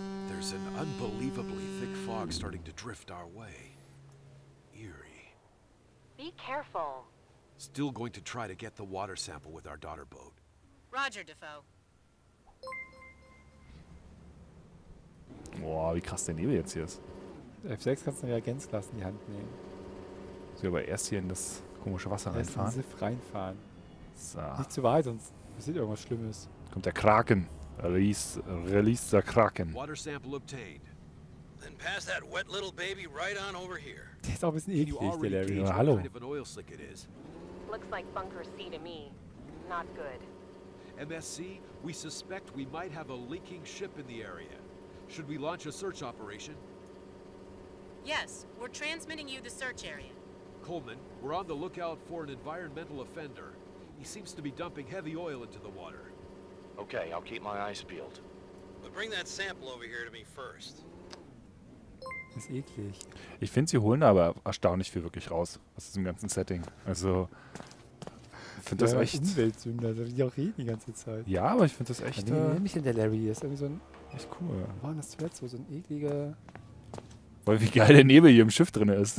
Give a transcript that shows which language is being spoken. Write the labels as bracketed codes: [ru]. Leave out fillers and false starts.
[en] There's an unbelievably thick fog starting to drift our way. Eerie. Be careful. Still going to try to get the water sample with our daughter boat. Roger, Defoe. [de] Boah, wie krass der Nebel jetzt hier ist. F6 kannst du ja Reagenzglas in die Hand nehmen. So, aber erst hier in das komische Wasser reinfahren. Erst in den Siff reinfahren. So. Nicht zu weit, sonst passiert irgendwas Schlimmes. Kommt der Kraken. Release der Kraken. [en] Water sample obtained. Then pass that wet little baby right on over here. [de] Der ist auch ein bisschen eklig, der Larry. Ja, hallo. [en] Looks like bunker C to me. Not good. MSC, we suspect we might have a leaking ship in the area. Should we launch a search operation? Yes, we're transmitting you the search area. Coleman, we're on the lookout for an environmental offender. He seems to be dumping heavy oil into the water. Okay, I'll keep my eyes peeled. But bring that sample over here to me first. [de] Das ist eklig. Ich finde, sie holen aber erstaunlich viel wirklich raus aus diesem ganzen Setting. Also, ich finde das echt. Umweltsünder, die auch reden die ganze Zeit. Ja, aber ich finde das echt. Wie nehme ich denn der Larry? Das ist irgendwie so ein. Echt cool. Mann, das wird so ein ekliger. Weil wie geil der Nebel hier im Schiff drin ist.